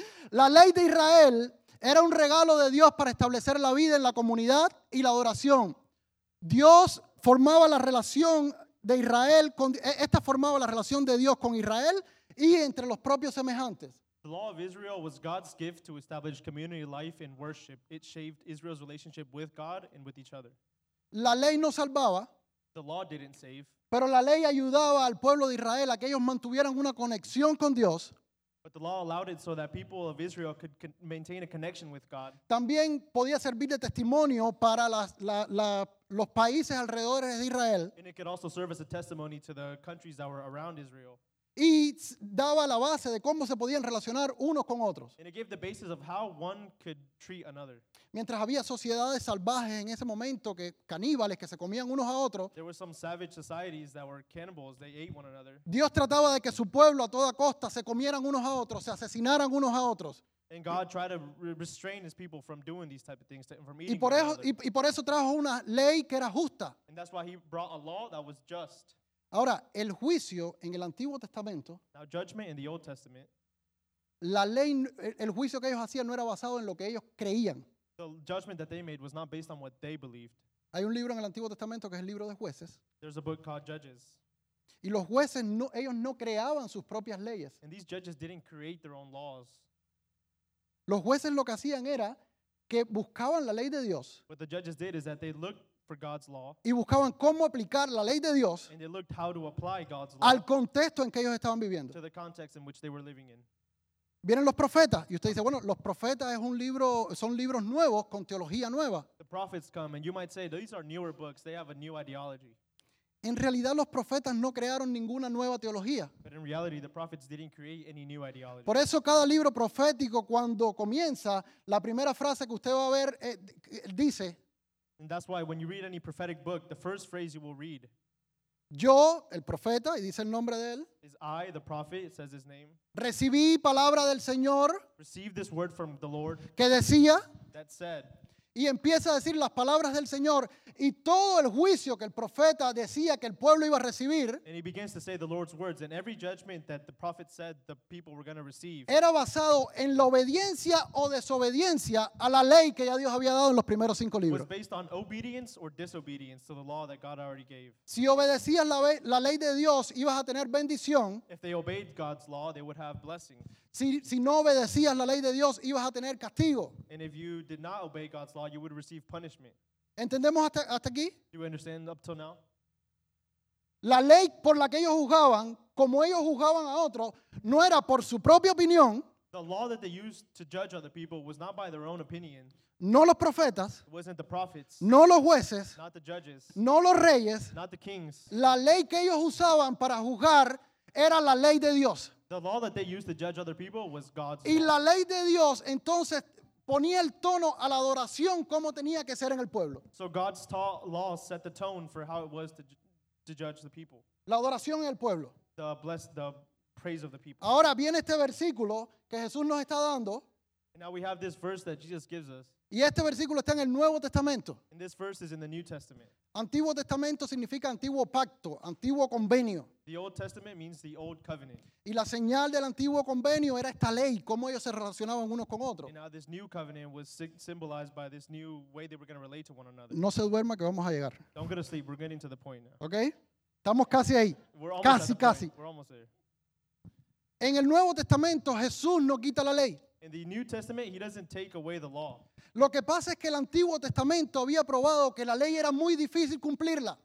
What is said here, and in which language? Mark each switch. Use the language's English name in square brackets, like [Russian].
[Spanish] La ley de Israel era un regalo de Dios para establecer la vida en la comunidad y la adoración. Dios formaba la relación de Israel con esta formaba la relación de Dios con Israel y entre los propios semejantes. [English] The law of Israel was God's gift to establish community life and worship. It shaped Israel's relationship with God and with each other. [Spanish] La ley no salvaba. [English] The law didn't save. [Spanish] Pero la ley ayudaba al pueblo de Israel a que ellos mantuvieran una conexión con Dios. [English] But the law allowed it so that people of Israel could maintain a connection with God. [Spanish] También podía servir de testimonio para los países alrededor de Israel. [English] And it could also serve as a testimony to the countries that were around Israel. [Spanish] Y daba la base de cómo se podían relacionar unos con otros. [English] And it gave the basis of how one could treat another. [Spanish] Mientras había sociedades salvajes en ese momento, que caníbales que se comían unos a otros, [English] there were some savage societies that were cannibals. They ate one another. [Spanish] Dios trataba de que su pueblo a toda costa se comieran unos a otros, se asesinaran unos a otros. [English] And God tried to restrain his people from doing these type of things, from eating one another. [Spanish] Y por eso trajo una ley que era justa. [English] And that's why he brought a law that was just. [Spanish] Ahora, el juicio en el Antiguo Testamento. [English] Now, judgment in the Old Testament. [Spanish] La ley, el juicio que ellos hacían no era basado en lo que ellos creían. [English] The judgment that they made was not based on what they believed. [Spanish] Hay un libro en el Antiguo Testamento que es el libro de Jueces. [English] There's a book called Judges. [Spanish] Y los jueces no, ellos no creaban sus propias leyes. [English] And these judges didn't create their own laws. [Spanish] Los jueces lo que hacían era que buscaban la ley de Dios. [English] What the judges did is that they looked for God's law. [Spanish] Y buscaban cómo aplicar la ley de Dios. [English] And they looked how to apply God's law. [Spanish] Al contexto en que ellos estaban viviendo. [English] To the context in which they were living in. [Spanish] Vienen los profetas y usted dice, bueno, los profetas es un libro, son libros nuevos con teología nueva. [English] The prophets come and you might say these are newer books, they have a new ideology. [Spanish] En realidad los profetas no crearon ninguna nueva teología. [English] But in reality the prophets didn't create any new ideology. [Spanish] Por eso cada libro profético cuando comienza, la primera frase que usted va a ver dice, [English] and that's why when you read any prophetic book, the first phrase you will read, [Spanish] yo, el profeta, y dice el nombre de él. [English] Is I, the prophet, it says his name. [Spanish] Recibí palabra del Señor. [English] Received this word from the Lord. [Spanish] Que decía. [English] That said. [Spanish] Y empieza a decir las palabras del Señor. Y todo el juicio que el profeta decía que el pueblo iba a recibir. [English] And he begins to say the Lord's words. And every judgment that the prophet said the people were going to receive. [Spanish] Era basado en la obediencia o desobediencia a la ley que ya Dios había dado en los primeros cinco libros. [English] Was based on obedience or disobedience to the law that God already gave. [Spanish] Si obedecías la ley de Dios, ibas a tener bendición. [English] If they obeyed God's law, they would have blessing. [Spanish] Si no obedecías la ley de Dios, ibas a tener castigo. [English] And if you did not obey God's law, you would receive punishment. [Spanish] ¿Entendemos hasta aquí? [English] Do you understand up till now? [Spanish] La ley por la que ellos juzgaban, como ellos juzgaban a otros, no era por su propia opinión. [English] The law that they used to judge other people was not by their own opinion. [Spanish] No los profetas. [English] It wasn't the prophets. [Spanish] No los jueces. [English] Not the judges. [Spanish] No los reyes. [English] Not the kings. [Spanish] La ley que ellos usaban para juzgar era la ley de Dios. [English] The law that they used to judge other people was God's law. [Spanish] Y la ley de Dios, entonces, ponía el tono a la adoración como tenía que ser en el pueblo. [English] So God's law set the tone for how it was to judge the people. [Spanish] La adoración en el pueblo. [English] The praise of the people. [Spanish] Ahora viene este versículo que Jesús nos está dando. [English] And now we have this verse that Jesus gives us. [Spanish] Y este versículo está en el Nuevo Testamento. [English] And this verse is in the New Testament. [Spanish] Antiguo Testamento significa antiguo pacto, antiguo convenio. [English] The Old Testament means the old covenant. [Spanish] Y la señal del antiguo convenio era esta ley, cómo ellos se relacionaban unos con otros. [English] And now this new covenant was symbolized by this new way they were going to relate to one another. [Spanish] No se duerma que vamos a llegar. [English] Don't go to sleep, we're getting to the point now. [Spanish] Okay? Estamos casi ahí. [English] We're almost [Spanish] casi, [English] at the [Spanish] casi. [English] Point. We're almost there. [Spanish] En el Nuevo Testamento, Jesús no quita la ley. [English] In the New Testament, he doesn't take away the law. [Spanish] Lo que pasa es que el Antiguo Testamento había probado que la ley era muy difícil cumplirla.